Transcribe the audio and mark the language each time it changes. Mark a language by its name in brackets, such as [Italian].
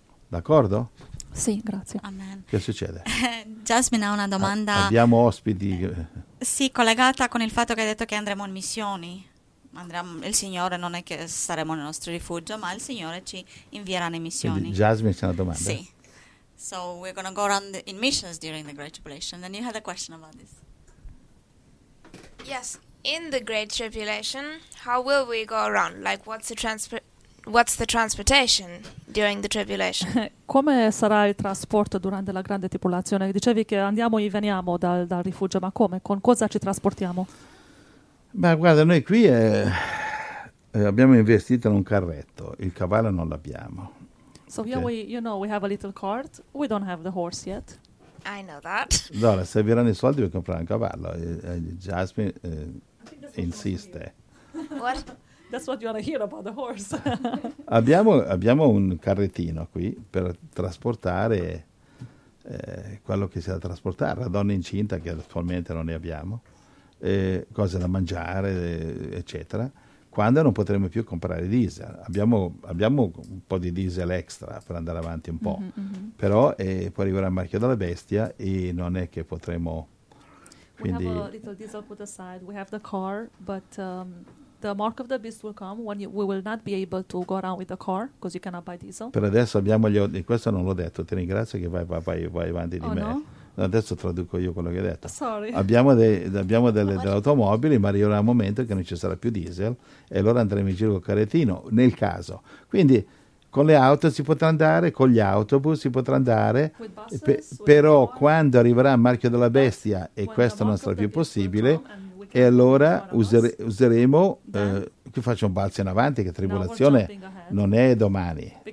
[Italian] D'accordo? Sì, grazie. Amen. Che succede? Jasmine ha una domanda. Abbiamo ospiti. Sì, collegata con il fatto che hai detto che andremo in missioni. Andremo, il Signore non è che saremo nel nostro rifugio, ma il Signore ci invierà nelle missioni. Quindi Jasmine c'è una domanda. Sì. [English] So we're going to go on in missions during the Great Tribulation. Then you had a question about this. Yes, in the Great Tribulation, how will we go around? Like what's the transportation during the tribulation? [Italian] Come sarà il trasporto durante la grande tribolazione? Dicevi che andiamo e veniamo dal rifugio, ma come? Con cosa ci trasportiamo? Ma guarda, noi qui abbiamo investito in un carretto, il cavallo non l'abbiamo. [English] So okay. Yeah, we have a little cart, we don't have the horse yet. I know that. [Italian] Allora, serviranno i soldi per comprare un cavallo. Jasmine insiste. [English] What? That's what you want to hear about the horse. [Italian] abbiamo un carrettino qui per trasportare quello che sia da trasportare, la donna incinta che attualmente non ne abbiamo. Cose da mangiare, eccetera, quando non potremo più comprare diesel. Abbiamo un po' di diesel extra per andare avanti un po', però poi arriverà il marchio della bestia e non è che potremo. Quindi, [English] we have a little diesel put aside, we have the car, but the mark of the beast will come when we will not be able to go around with the car because you cannot buy diesel. [Italian] Per adesso abbiamo questo non l'ho detto, ti ringrazio che vai avanti di me. No? Adesso traduco io quello che hai detto. [English] Sorry. [Italian] Abbiamo delle automobili, ma arriverà un momento che non ci sarà più diesel e allora andremo in giro col carrettino, nel caso. Quindi con le auto si potrà andare, con gli autobus si potrà andare, però quando arriverà il marchio della bestia e questo non sarà più possibile, e allora useremo, qui faccio un balzo in avanti, che tribolazione non è domani,